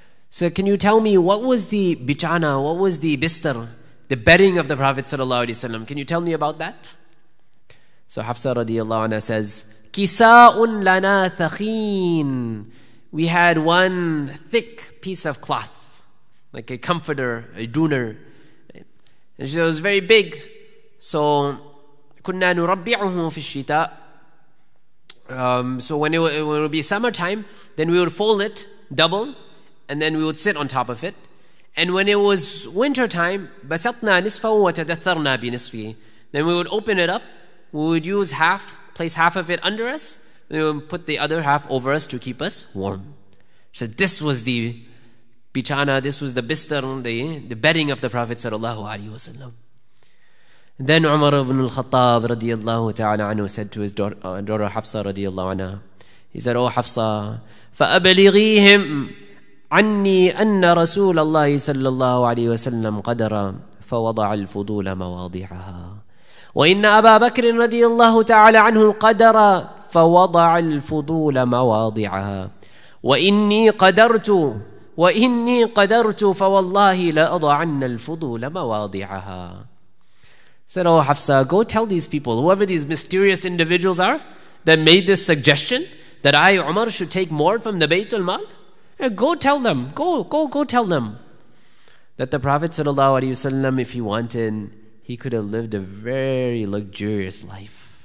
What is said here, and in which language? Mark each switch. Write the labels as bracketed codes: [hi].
[en] So can you tell me what was the bichana, what was the bistar, the bedding of the Prophet sallallahu alaihi wasallam? Can you tell me about that? So Hafsa radiallahu anha says, [ar] كِسَاءٌ لَنَا ثَخِينٌ. [en] We had one thick piece of cloth, like a comforter, a duner. And it was very big. So, [ar] كُنَّا نُرَبِّعُهُ فِي الشِّتَاءِ. [en] So when it would be summertime, then we would fold it double, and then we would sit on top of it. And when it was wintertime, [ar] بَسَطْنَا نِصْفَهُ وَتَدَثَّرْنَا بِنِصْفِهِ. [en] Then we would open it up, we would use half, place half of it under us, they would put the other half over us to keep us warm. So this was the bichana, this was the bistar, the bedding of the Prophet sallallahu alaihi wasallam. Then Umar ibn al-Khattab radiyallahu ta'ala anhu said to his daughter Hafsa radiyallahu anha, he said, oh Hafsa, [ar] فَأَبْلِغِيهِمْ عَنِّي أَنَّ رَسُولَ اللَّهِ صَلَّى اللَّهُ عَلَيْهِ وَسَلَّمْ قَدَرًا فَوَضَعَ الْفُضُولَ مَوَاضِعَهَا وَإِنَّ أَبَا بَكْرٍ رَدِيَ تَعَالَى عَنْهُ قَدَرًا فوضع الفضول مواضعها وإني قدرت وإني قدرت فوالله لا أضعن الفضول مواضعها. [en] Said, oh Hafsa, go tell these people, whoever these mysterious individuals are that made this suggestion that I, Umar, should take more from the Baytul Mal, go tell them, go tell them that the Prophet sallallahu alaihi wasallam, if he wanted, he could have lived a very luxurious life.